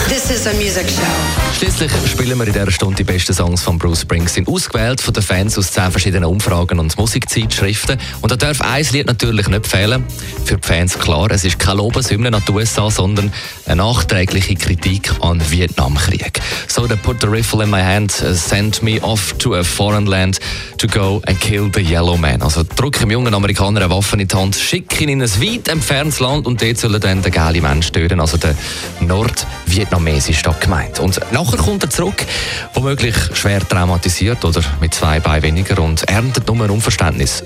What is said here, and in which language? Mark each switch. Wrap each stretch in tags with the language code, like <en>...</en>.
<en>This is a music show.</en> <de>Schließlich spielen wir in dieser Stunde die besten Songs von Bruce Springsteen, ausgewählt von den Fans aus 10 verschiedenen Umfragen und Musikzeitschriften. Und da darf ein Lied natürlich nicht fehlen. Für die Fans klar, es ist keine Lobeshymne an die USA, sondern eine nachträgliche Kritik an den Vietnamkrieg.</de> <en>So, they put the rifle in my hand, send me off to a foreign land to go and kill the yellow man.</en> <de>Also drück dem jungen Amerikaner eine Waffe in die Hand, schick ihn in ein weit entferntes Land und dort sollen dann den gelben Menschen töten. Also der Nordvietnamesische da gemeint. Und nachher kommt er zurück, womöglich schwer traumatisiert oder mit zwei Beinen weniger und erntet nur ein Unverständnis.</de>